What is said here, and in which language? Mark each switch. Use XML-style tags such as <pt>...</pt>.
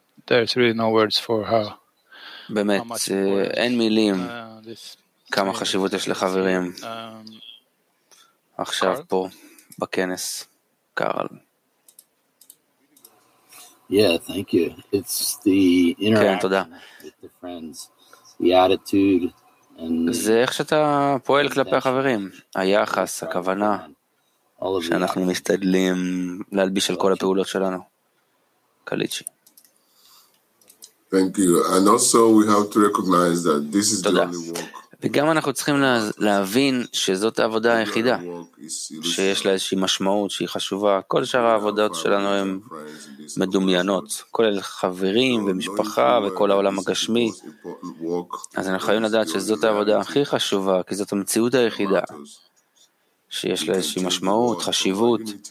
<en>there's really no words for her,</en> <he>באמת אין מילים כמה חשיבות יש לחברים עכשיו פה בכנס. קארל,</he> <en>yeah, Yeah, thank you. It's the interaction with the friends, the attitude.</en> <he>זה איך שאתה פועל כלפי החברים, היחס, הכוונה, שאנחנו משתדלים להלביש על כל הפעולות שלנו. קליצ'י.</he> <en>Thank you. And also we have to recognize that this is the only work.</en> <he>וגם אנחנו צריכים להבין שזאת העבודה היחידה, שיש לה איזושהי משמעות שהיא חשובה. כל שאר העבודות שלנו הן מדומיינות, כולל חברים ומשפחה וכל העולם הגשמי. אז אנחנו חייבים לדעת שזאת העבודה הכי חשובה, כי זאת המציאות היחידה, שיש לה איזושהי משמעות, חשיבות.</he>